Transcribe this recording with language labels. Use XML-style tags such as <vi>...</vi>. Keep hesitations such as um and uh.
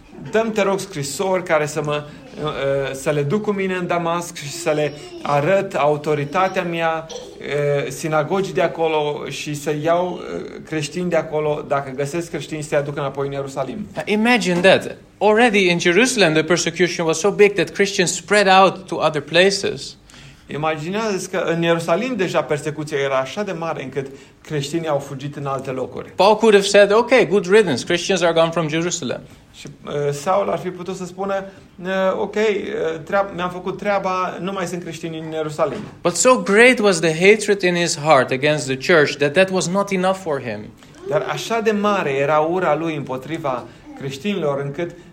<ro>dăm te rog scrisori care să, mă, uh, să le duc cu mine în Damasc și să le arăt autoritatea mea, uh, sinagogii de acolo și să iau uh, creștini de acolo, dacă găsesc creștini, să-i aduc înapoi în Ierusalim.</ro> <en>Imagine that. Already in Jerusalem, the persecution was so big that Christians spread out to other places.</en> <ro>Imaginează-ți că în Ierusalim deja persecuția era așa de mare încât creștinii au fugit în alte locuri.</ro> <en>Paul could have said, okay, good riddance, Christians are gone from Jerusalem.</en> <ro>Și uh, Saul ar fi putut să spună, uh, ok, uh, tre- mi-am făcut treaba, nu mai sunt creștini în Ierusalim.</ro> <en>But so great was the hatred in his heart against the church that that was not enough for him.</en> <ro>Dar așa de mare era ura lui împotriva creștinilor încât</ro>